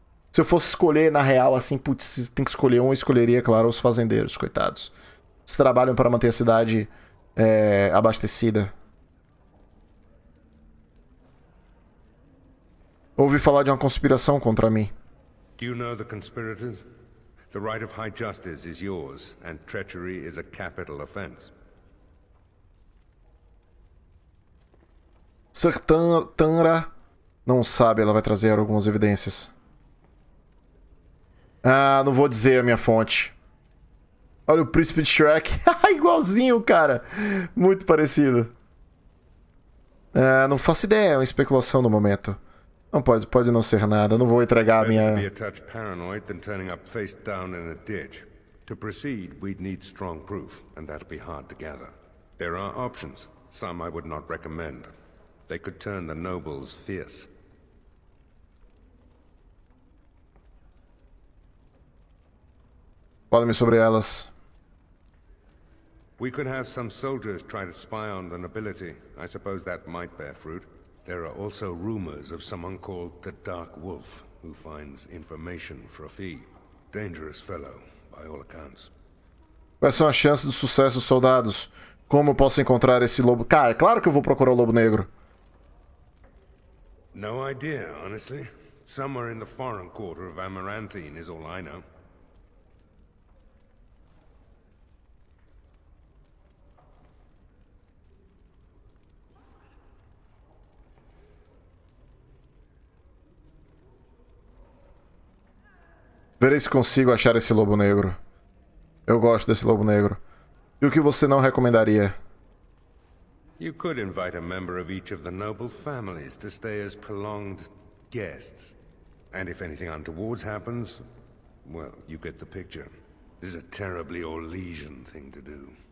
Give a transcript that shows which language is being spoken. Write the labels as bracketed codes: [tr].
[pt] Se eu fosse escolher, na real, assim, putz, tem que escolher um, eu escolheria, claro, os fazendeiros, coitados. Eles trabalham para manter a cidade abastecida. Ouvi falar de uma conspiração contra mim. [en] Do you know the conspirators? The right of high justice is yours, and treachery is a capital offense. [pt] Sir Tanra não sabe, ela vai trazer algumas evidências. Ah, não vou dizer a minha fonte. Olha o príncipe de Shrek. Igualzinho, cara. Muito parecido. Ah, não faço ideia, é uma especulação no momento. Não pode, pode não ser nada. Não vou entregar a minha. [en] Be a touch paranoid than turning up face down in a ditch. To proceed, we'd need strong proof, and that'd be hard to gather. There are options, some I would not recommend. They could turn the nobles fierce. [pt] Fale-me sobre elas. [en] We could have some soldiers try to spy on the nobility. I suppose that might bear fruit. There are also rumors of someone called the Dark Wolf, who finds information for a fee. Dangerous fellow, by all accounts. [pt] Quais são as chances de sucesso, soldados? Como eu posso encontrar esse lobo? Cara, é claro que eu vou procurar o lobo negro. [en] No idea, honestly. Somewhere in the foreign quarter of Amaranthine is all I know. [pt] Verei se consigo achar esse lobo negro. Eu gosto desse lobo negro. E o que você não recomendaria? [en] You could invite a member of each of the noble families to stay as prolonged guests. And if anything untoward happens, well, you get the picture. This is a terribly Orlesian thing to do.